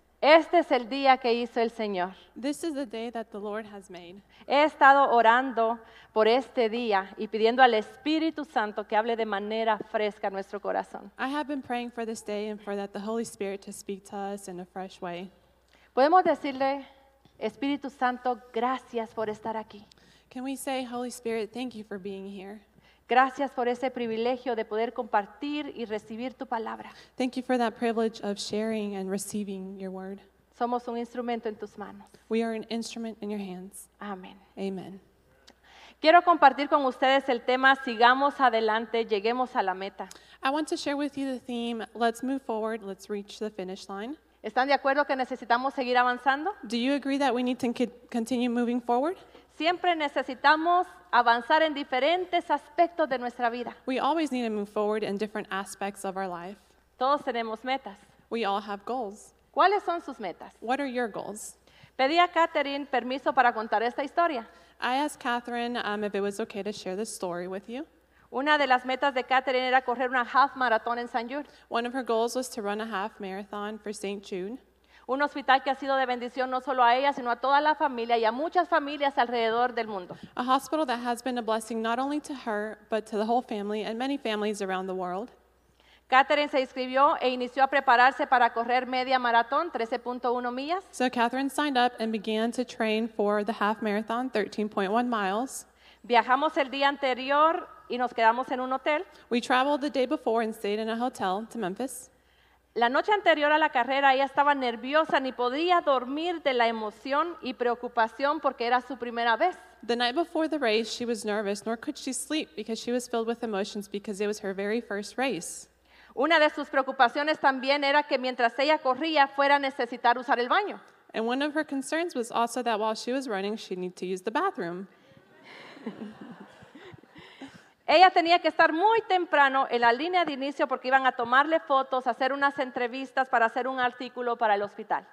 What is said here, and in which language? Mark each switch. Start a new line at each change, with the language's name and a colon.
Spanish: Este es el día que hizo el Señor.
English: This is the day that the Lord has made.
Spanish: He estado orando por este día y pidiendo al Espíritu Santo que hable de manera fresca a nuestro corazón.
English: I have been praying for this day and for that the Holy Spirit to speak to us in a fresh way.
Spanish: Podemos decirle, Espíritu Santo, gracias por estar aquí.
English: Can we say, Holy Spirit, thank you for being here.
Spanish: Gracias por ese privilegio de poder compartir y recibir tu palabra.
English: Thank you for that privilege of sharing and receiving your word.
Spanish: Somos un instrumento en tus manos.
English: We are an instrument in your hands.
Spanish: Amén.
English: Amen.
Spanish: Quiero compartir con ustedes el tema, sigamos adelante, lleguemos a la meta.
English: I want to share with you the theme, let's move forward, let's reach the finish line.
Spanish: ¿Están de acuerdo que necesitamos seguir avanzando?
English: Do you agree that we need to continue moving forward?
Spanish: Siempre necesitamos avanzar en diferentes aspectos de nuestra vida.
English: We always need to move forward in different aspects of our life.
Spanish: Todos tenemos metas.
English: We all have goals.
Spanish: ¿Cuáles son sus metas?
English: What are your goals?
Spanish: Pedí a Catherine permiso para contar esta historia.
English: I asked Catherine if it was okay to share this story with you.
Spanish: Una de las metas de Catherine era correr una half marathon en San Jude.
English: One of her goals was to run a half marathon for St. Jude.
Spanish: Un hospital que ha sido de bendición no solo a ella, sino a toda la familia y a muchas familias alrededor del mundo.
English: A hospital that has been a blessing not only to her, but to the whole family and many families around the world.
Spanish: Catherine se inscribió e inició a prepararse para correr media maratón, 13.1 millas.
English: So Catherine signed up and began to train for the half marathon, 13.1 miles.
Spanish: Viajamos el día anterior y nos quedamos en un hotel.
English: We traveled the day before and stayed in a hotel to Memphis.
Spanish: La noche anterior a la carrera, ella estaba nerviosa, ni podía dormir de la emoción y preocupación porque era su primera vez.
English: The night before the race, she was nervous, nor could she sleep because she was filled with emotions because it was her very first race.
Spanish: Una de sus preocupaciones también era que mientras ella corría, fuera a necesitar usar el baño.
English: And one of her concerns was also that while she was running, she'd need to use the bathroom.
Spanish: Ella tenía que estar muy temprano en la línea de inicio porque iban a tomarle fotos, hacer unas entrevistas para hacer un artículo para el hospital.